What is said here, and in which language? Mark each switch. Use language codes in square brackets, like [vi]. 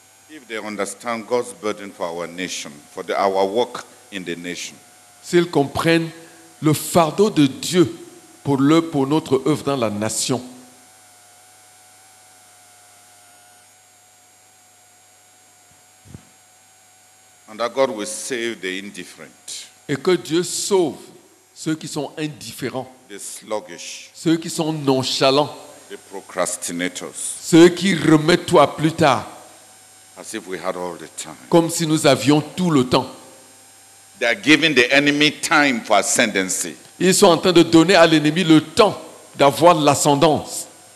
[en] If they understand God's burden for our nation, for our work in the nation. [fr] S'ils comprennent le fardeau de Dieu pour notre œuvre dans la nation. [en] And that God will save the indifferent. [fr] Et que Dieu sauve ceux qui sont indifférents. [en] The sluggish. [fr] Ceux qui sont nonchalants. [en] The procrastinators. [fr] Ceux qui remettent tout à plus tard. [en] As if we had all the time. [fr] Comme si nous avions tout le temps. [en] They are giving the enemy time for ascendancy. [fr] Ils sont en train de donner à l'ennemi le temps d'avoir l'ascendance.